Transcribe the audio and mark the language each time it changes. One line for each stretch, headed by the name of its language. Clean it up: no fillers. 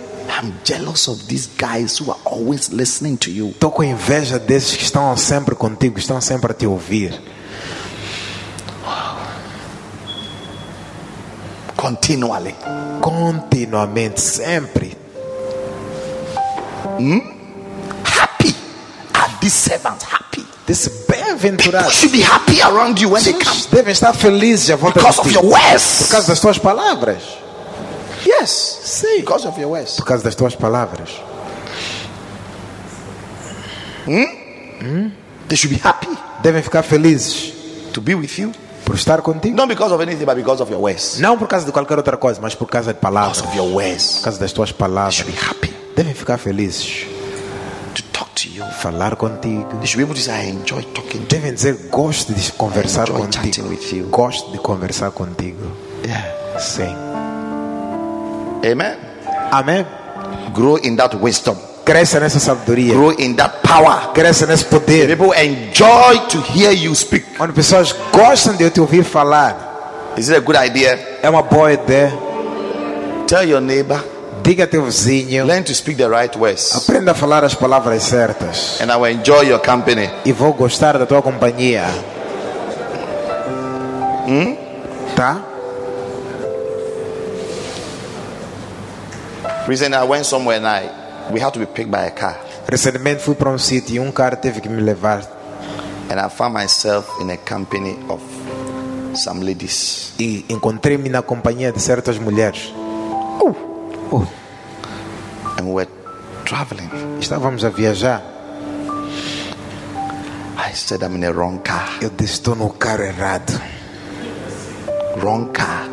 English: I'm jealous of these guys who are always listening to you.
Portuguese: Tô com inveja desses que estão sempre contigo, estão sempre a te ouvir. Continuamente, sempre.
English: Happy are these servants happy? This
Portuguese: bem-aventurado.
English: People should be happy around you when they come.
Portuguese: Devem estar felizes à volta de ti.
English: Because of your words.
Portuguese: Por causa das tuas palavras.
English: Yes,
Portuguese: sim.
English: Because of your words.
Portuguese: Por causa das tuas palavras.
English: They should be happy.
Portuguese: Devem ficar felizes.
English: To be with you.
Portuguese: Por estar contigo.
English: Not because of anything, but because of your words.
Portuguese: Não por causa de qualquer outra coisa, mas por causa de palavras.
English: Because of your words.
Portuguese: Por causa das tuas palavras.
English: They should be happy.
Portuguese: Devem ficar felizes.
English: To talk to you.
Portuguese: Falar contigo.
English: They should be able to say, I enjoy talking.
Portuguese: Devem dizer, gosto de conversar contigo.
English: I enjoy chatting with you.
Portuguese: Gosto de conversar contigo.
English: Yeah.
Portuguese: Sim.
English: Amen.
Portuguese: Amen.
English: Grow in that wisdom.
Portuguese: Cresça nessa sabedoria.
English: Grow in that power.
Portuguese: Cresça nesse poder.
English: People enjoy to hear you speak.
Portuguese: Quando pessoas gostam de te ouvir falar.
English: Is it a good idea?
Portuguese: É uma boa ideia.
English: Tell your neighbor.
Portuguese: Diga teu vizinho.
English: Learn to speak the right words.
Portuguese: Aprenda a falar as palavras certas.
English: And I will enjoy your company.
Portuguese: E vou gostar da tua companhia. Tá?
English: Recently, I went somewhere and we had to be picked by a car.
Portuguese: Recentemente fui para sítio e carro teve que me levar.
English: And I found myself in a company of some ladies.
Portuguese: E encontrei-me na companhia de certas mulheres.
English: And we were traveling.
Portuguese: Estávamos a viajar.
English: I said I'm in the wrong car.
Portuguese: Eu disse estou no carro errado.
English: Wrong car.